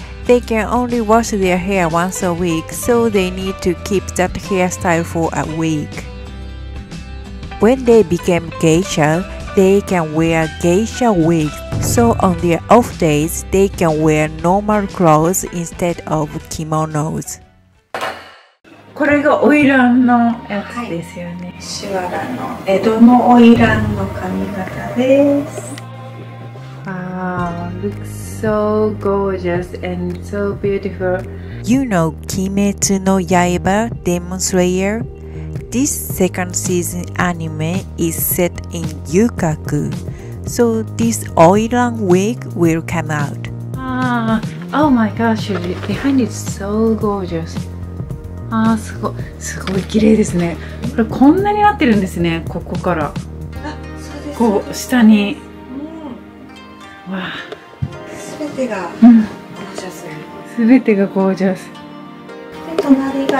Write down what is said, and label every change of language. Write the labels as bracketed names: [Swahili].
[English] They can only wash their hair once a week, so they need to keep that hairstyle for a week. When they become geisha, they can wear geisha wig, so on their off days, they can wear normal clothes instead of kimonos. [Japanese] これがオイランのやつですよね。シワラの江戸のオイランの髪型です。 [English] Wow, looks so gorgeous and so beautiful. You know Kimetsu no Yaiba Demon Slayer? This second season anime is set in Yukaku, so this oilan wig will come out. Ah, oh my gosh, behind it's so gorgeous. [Japanese] ああ、すごい、すごい綺麗ですね。これこんなになってるんですね、ここから。あ、そうです。こう、下に。わあ。すべてが、ゴージャス。すべてがゴージャス。で、隣が、